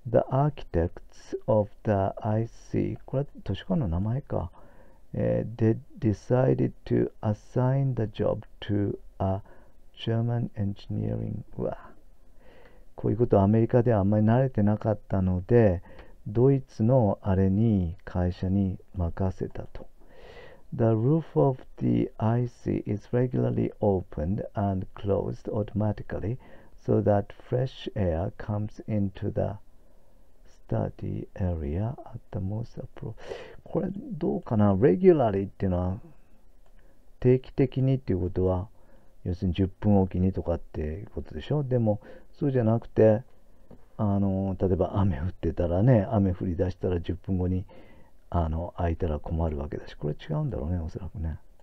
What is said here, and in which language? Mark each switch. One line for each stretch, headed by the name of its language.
English: architects of the IC、
Japanese: これ都市間の名前か、
English: they decided to assign the job to a German engineering。
Japanese: うわ、こういうことアメリカではあんまり慣れてなかったので、ドイツのあれに会社に任せたと。
English: The roof of the IC is regularly opened and closed automatically so that fresh air comes into the study area at the most appropriate。
Japanese: これどうかな？ Regularly っていうのは定期的にっていうことは、要するに10分おきにとかっていうことでしょ？でもそうじゃなくて、例えば雨降ってたらね、雨降り出したら10分後に開いたら困るわけだし、これ違うんだろうね、おそらくね。